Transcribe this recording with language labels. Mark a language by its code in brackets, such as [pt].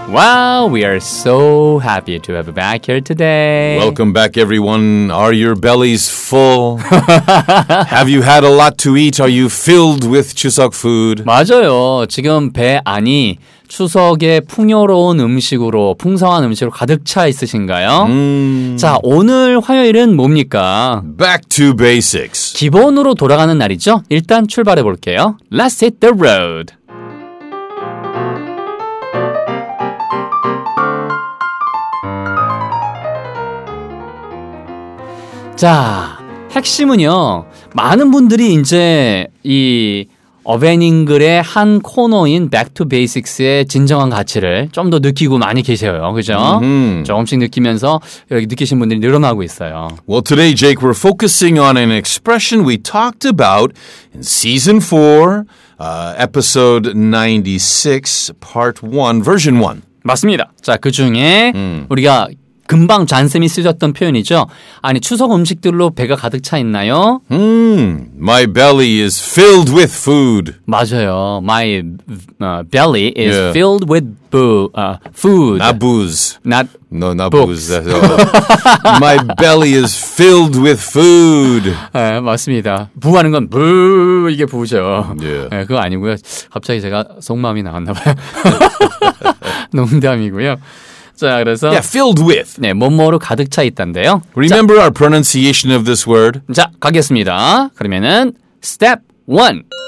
[en] Wow, we are so happy to have you back here today. Welcome back everyone. Are your bellies full? Have you had a lot to eat? Are you filled with Chuseok food? [ko] 맞아요. 지금 배 안이 추석의 풍요로운 음식으로 풍성한 음식으로 가득 차 있으신가요? 자, 오늘 화요일은 뭡니까? [en] Back to basics. [ko] 기본으로 돌아가는 날이죠? 일단 출발해 볼게요. [en] Let's hit the road. [ko] Ja, 핵심은요, 많은 분들이 이제 이 어벤잉글의 한 코너인 Back to Basics의 진정한 가치를 좀 더 느끼고 많이 계세요. 그죠? 조금씩 느끼면서 여기 느끼신 분들이 늘어나고 있어요. [en] Well, today, Jake, we're focusing on an expression we talked about in season 4, episode 96, part 1, version 1. [ko] 맞습니다. 자, 그 중에 우리가 금방 잔쌤이 쓰셨던 표현이죠. 아니, 추석 음식들로 배가 가득 차 있나요? [en] My belly is filled with food. [ko] 맞아요. [en] My belly is filled with food. Not booze. Not No, not books. Booze. My belly is filled with food. [ko] 네, 맞습니다. 부하는 건 부 이게 부죠. 네, 그거 아니고요. 갑자기 제가 속마음이 나왔나 봐요. 농담이고요. 자, 그래서 [en] yeah, filled with. [ko] 네, 뭐뭐로 가득 차 있단데요. [en] Remember 자, our pronunciation of this word. [ko] 자, 가겠습니다. 그러면은 step 1.